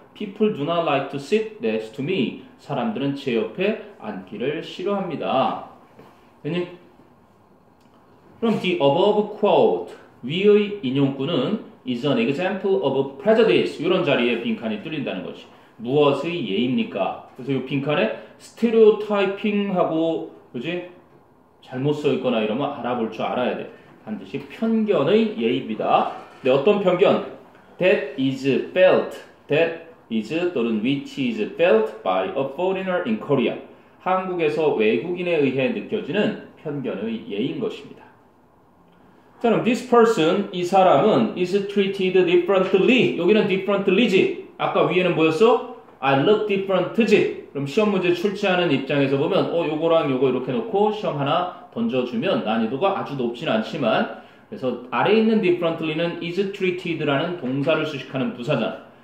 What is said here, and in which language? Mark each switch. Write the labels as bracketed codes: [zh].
[en] People do not like to sit next to me. [ko] 사람들은 제 옆에 앉기를 싫어합니다. [en] 괜히? [ko] 그럼 [en] the above quote, [ko] 위의 인용구는 [en] is an example of prejudice. [ko] 이런 자리에 빈칸이 뚫린다는 거지. 무엇의 예입니까? 그래서 이 빈칸에 스테레오타이핑하고 그지 잘못 써있거나 이러면 알아볼 줄 알아야 돼. 반드시 편견의 예입니다. 근데 어떤 편견? [en] That is felt. That is [ko] 또는 [en] which is felt by a foreigner in Korea. [ko] 한국에서 외국인에 의해 느껴지는 편견의 예인 것입니다. 자 그럼 [en] this person, [ko] 이 사람은 [en] is treated differently. [ko] 여기는 differently지. 아까 위에는 뭐였어? I look different지. 그럼 시험 문제 출제하는 입장에서 보면 요거랑 요거 이렇게 놓고 시험 하나 던져주면 난이도가 아주 높진 않지만 그래서 아래에 있는 differently는 [en] is treated [ko] 라는 동사를 수식하는 부사잖아.